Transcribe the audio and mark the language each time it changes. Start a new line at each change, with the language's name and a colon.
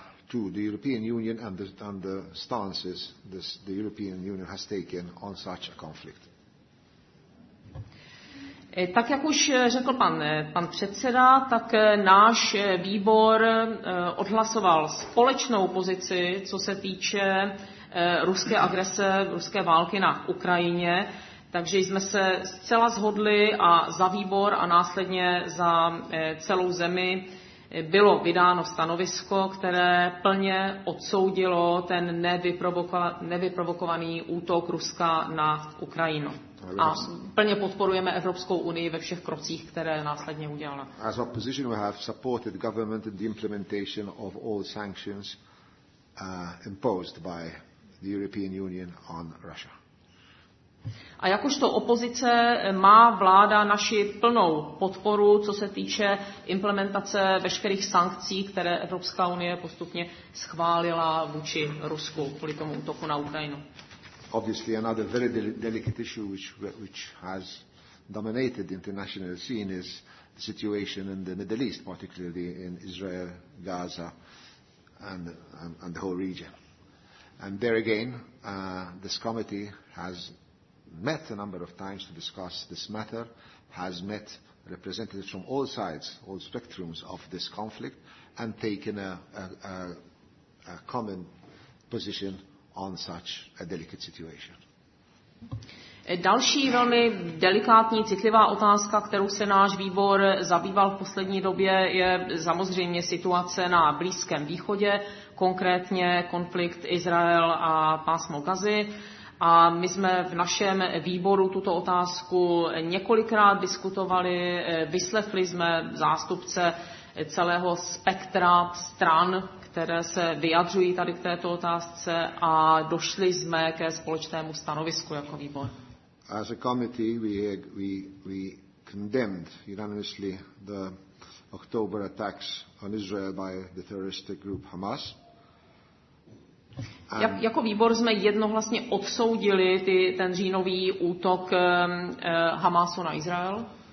English: to the European Union and the stances the European Union has taken on such a conflict.
Czech: Tak jak už řekl pan předseda, tak náš výbor odhlasoval společnou pozici, co se týče ruské agrese, ruské války na Ukrajině. Takže jsme se zcela shodli a za výbor a následně za celou zemi bylo vydáno stanovisko, které plně odsoudilo ten nevyprovokovaný útok Ruska na Ukrajinu. A plně podporujeme Evropskou unii ve všech krocích, které následně udělala.
English: As opposition, we have supported government in the implementation of all sanctions imposed by the European Union on Russia.
Czech: A jakožto opozice má vláda naši plnou podporu, co se týče implementace veškerých sankcí, které Evropská unie postupně schválila vůči Rusku kvůli tomu útoku na Ukrajinu.
English: Obviously another very delicate issue which has dominated the international scene is the situation in the Middle East, particularly in Israel, Gaza and the whole region. And there again, this committee has met a number of times to discuss this matter, has met representatives from all sides, all spectrums of this conflict, and taken a common position on such a delicate situation.
Czech: Další velmi delikátní, citlivá otázka, kterou se náš výbor zabýval v poslední době, je samozřejmě situace na Blízkém východě, konkrétně konflikt Izrael a pásmo Gazy. A my jsme v našem výboru tuto otázku několikrát diskutovali, vyslechli jsme zástupce celého spektra stran, které se vyjadřují tady k této otázce a došli jsme ke společnému stanovisku jako výbor.
English: As a committee we condemned unanimously the October attacks on Israel by the terroristic group Hamas.
Czech: Jako výbor jsme jednohlasně odsoudili ten říjnový útok Hamasu na Izrael.